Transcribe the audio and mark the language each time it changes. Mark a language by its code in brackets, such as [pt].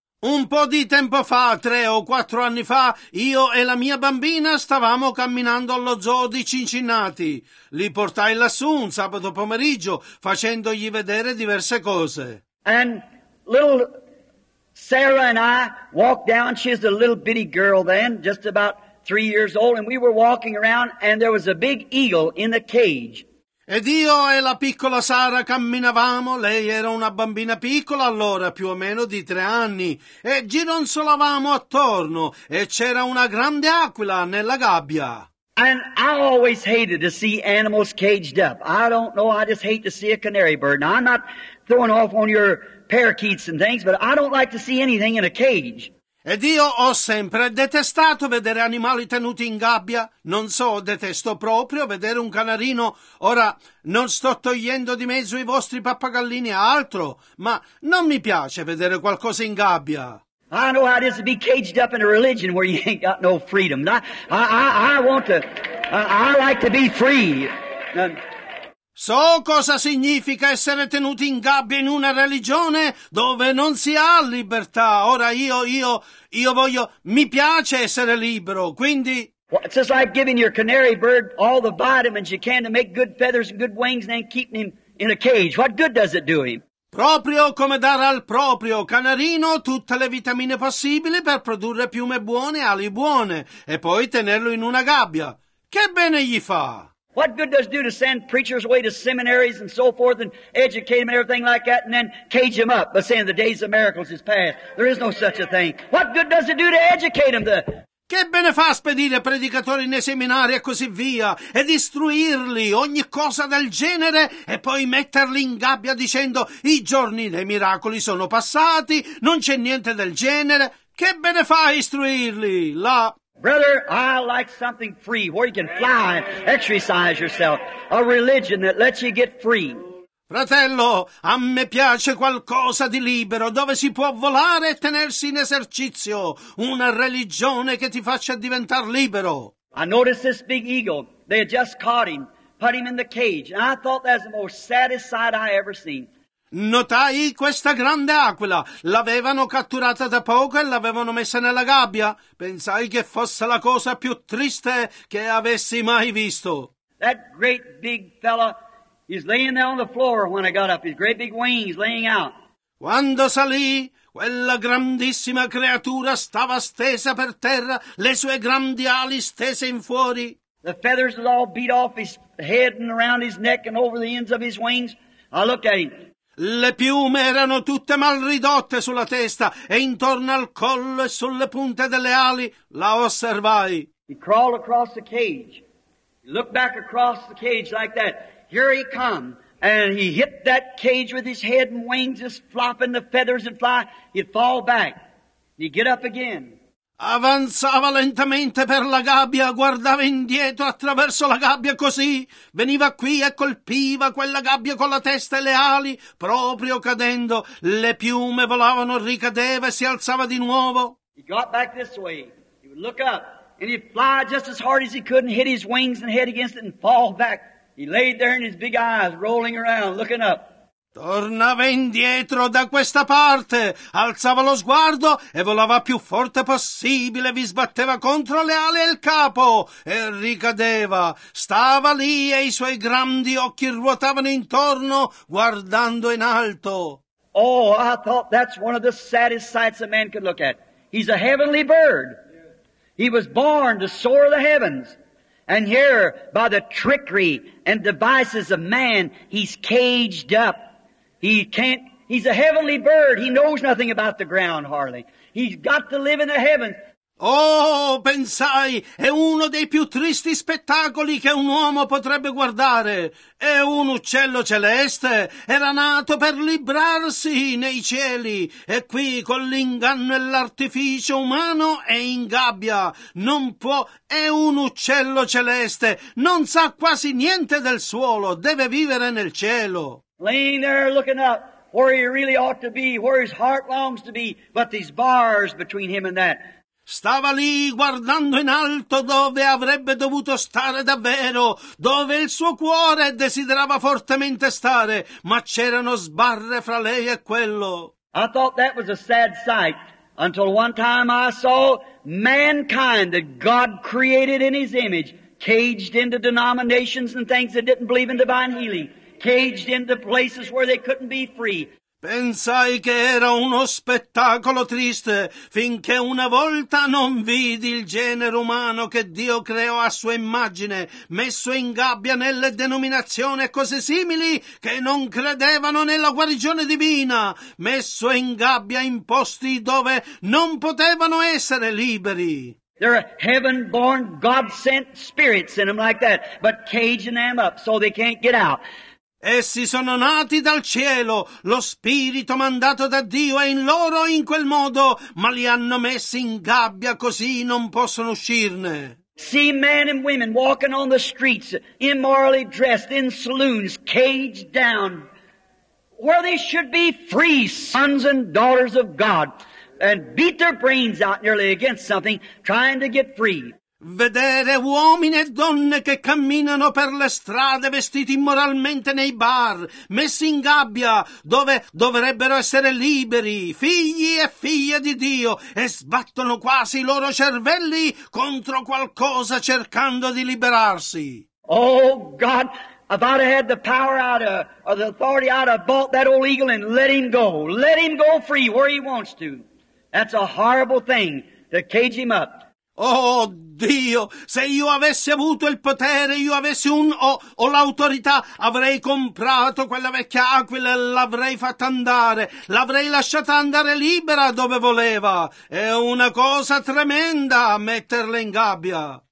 [it] Un po' di tempo fa, 3 or 4 anni fa, io e la mia bambina stavamo camminando allo zoo di Cincinnati. Li portai lassù un sabato pomeriggio, facendogli vedere diverse cose. [en] And little Sarah and I walked down, she's a little bitty girl then, just about 3 years old, and we were walking around and there was a big eagle in the cage. [it] Ed io e la piccola Sara camminavamo, lei era una bambina piccola allora, più o meno di 3 anni, e gironzolavamo attorno, e c'era una grande aquila nella gabbia. [en] And I always hated to see animals caged up. I don't know, I just hate to see a canary bird. Now, I'm not throwing off on your parakeets and things, but I don't like to see anything in a cage. [it] Ed io ho sempre detestato vedere animali tenuti in gabbia. Non so, detesto proprio vedere un canarino. Ora, non sto togliendo di mezzo i vostri pappagallini e altro, ma non mi piace vedere qualcosa in gabbia. [en] I know how it is to be caged up in a religion where you ain't got no freedom. I like to be free. [it] So cosa significa essere tenuti in gabbia in una religione dove non si ha libertà. Ora io voglio, mi piace essere libero, quindi... [en] Well, it's just like giving your canary bird all the vitamins you can to make good feathers and good wings and then keeping him in a cage. What good does it do him? [it] Proprio come dare al proprio canarino tutte le vitamine possibili per produrre piume buone e ali buone e poi tenerlo in una gabbia. Che bene gli fa? [en] What good does it do to send preachers away to seminaries and so forth and educate them and everything like that and then cage them up by saying the days of miracles is past? There is no such a thing. What good does it do to educate them? [it] Che bene fa spedire predicatori nei seminari e così via e istruirli ogni cosa del genere e poi metterli in gabbia dicendo i giorni dei miracoli sono passati, non c'è niente del genere? Che bene fa istruirli là? [en] Brother, I like something free, where you can fly and exercise yourself. A religion that lets you get free. [it] Fratello, a me piace qualcosa di libero, dove si può volare e tenersi in esercizio. Una religione che ti faccia diventare libero. [en] I noticed this big eagle. They had just caught him, put him in the cage. And I thought that was the most saddest sight I ever seen. [it] Notai questa grande aquila, l'avevano catturata da poco e l'avevano messa nella gabbia. Pensai che fosse la cosa più triste che avessi mai visto. [en] That great big fella is laying there on the floor when I got up, his great big wings laying out. [it] Quando salì, quella grandissima creatura stava stesa per terra, le sue grandi ali stese in fuori. [en] The feathers had all beat off his head and around his neck and over the ends of his wings. I looked at him. [it] Le piume erano tutte mal ridotte sulla testa e intorno al collo e sulle punte delle ali la osservai. [en] He crawled across the cage. He looked back across the cage like that. Here he come. And he hit that cage with his head and wings just flopping, the feathers would fly. He'd fall back. He'd get up again. [it] Avanzava lentamente per la gabbia, guardava indietro attraverso la gabbia così. Veniva qui e colpiva quella gabbia con la testa e le ali. Proprio cadendo, le piume volavano, ricadeva e si alzava di nuovo. [en] He got back this way. He would look up and he'd fly just as hard as he could and hit his wings and head against it and fall back. He laid there in his big eyes, rolling around, looking up. [it] Tornava indietro da questa parte, alzava lo sguardo e volava più forte possibile, vi sbatteva contro le ali e il capo e ricadeva. Stava lì e i suoi grandi occhi ruotavano intorno, guardando in alto. [en] Oh, I thought that's one of the saddest sights a man could look at. He's a heavenly bird. He was born to soar the heavens. And here, by the trickery and devices of man, he's caged up. He's a heavenly bird. He knows nothing about the ground, hardly. He's got to live in the heavens. [it] Oh, pensai, è uno dei più tristi spettacoli che un uomo potrebbe guardare. È un uccello celeste, era nato per librarsi nei cieli, e qui con l'inganno e l'artificio umano è in gabbia. Non può, è un uccello celeste, non sa quasi niente del suolo, deve vivere nel cielo. [en] Laying there looking up where he really ought to be, where his heart longs to be, but these bars between him and that. [it] Stava lì guardando in alto dove avrebbe dovuto stare davvero, dove il suo cuore desiderava fortemente stare, ma c'erano sbarre fra lei e quello. [en] I thought that was a sad sight, until one time I saw mankind that God created in his image, caged into denominations and things that didn't believe in divine healing, caged into places where they couldn't be free. [it] Pensai che era uno spettacolo triste, finché una volta non vidi il genere umano che Dio creò a sua immagine, messo in gabbia nelle denominazioni e cose simili che non credevano nella guarigione divina, messo in gabbia in posti dove non potevano essere liberi. [en] They're heaven-born, God-sent spirits in them like that, but caging them up so they can't get out. [it] Essi sono nati dal cielo, lo spirito mandato da Dio è in loro in quel modo, ma li hanno messi in gabbia così non possono uscirne. [en] See men and women walking on the streets, immorally dressed, in saloons, caged down, where they should be free sons and daughters of God, and beat their brains out nearly against something, trying to get free. [it] Vedere uomini e donne che camminano per le strade vestiti immoralmente nei bar, messi in gabbia dove dovrebbero essere liberi, figli e figlie di Dio, e sbattono quasi i loro cervelli contro qualcosa cercando di liberarsi. [en] Oh God, if I'd had the power out of, or the authority, I'd have bought that old eagle and let him go free where he wants to. That's a horrible thing to cage him up. [it] Oh Dio, se io avessi avuto il potere, io avessi un o l'autorità, avrei comprato quella vecchia aquila e l'avrei fatta andare, l'avrei lasciata andare libera dove voleva. È una cosa tremenda metterla in gabbia.